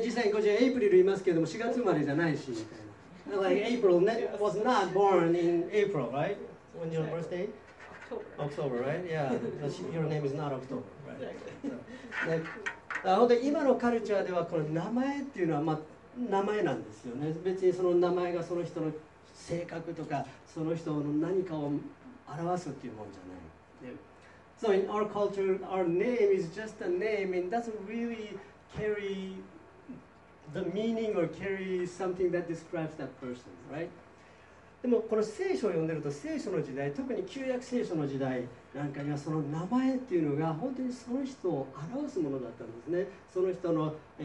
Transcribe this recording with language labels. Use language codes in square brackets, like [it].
[ja] で、実際にこちらエイプリルいますけども、4月生まれじゃないし、みたいな。 [en] Like April was not born in April, right? On your birthday? October, right? Yeah, your name is not October, right? Exactly. [ja] で、今のカルチャーではこの名前っていうのはまあ名前なんですよね。別にその名前がその人の性格とかその人の何かを表すっていうもんじゃない。 [en] So in our culture, our name is just a name and doesn't really carry the meaning or carry something that describes that person, right? [ja] でもこの聖書を読んでると聖書の時代特に旧約聖書の時代なんかにはその名前っていうのが本当にその人を表すものだったんですねその人の、